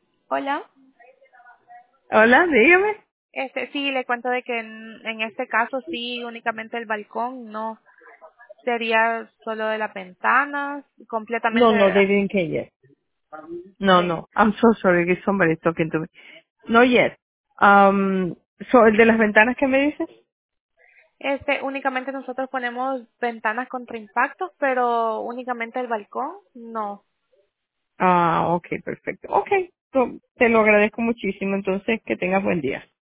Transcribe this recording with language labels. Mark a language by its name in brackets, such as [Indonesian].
[Spanish] Hola. Hola, dígame. Sí, le cuento de que en este caso sí, únicamente el balcón, no sería solo de las ventanas, completamente. [English] No, they didn't care yet. No, no, I'm so sorry that somebody is talking to me. No yet. [Spanish] So, ¿el de las ventanas qué me dices? Únicamente nosotros ponemos ventanas contra impactos, pero únicamente el balcón, no. Ah, okay, perfecto. Okay. Te lo agradezco muchísimo. Entonces, que tengas buen día.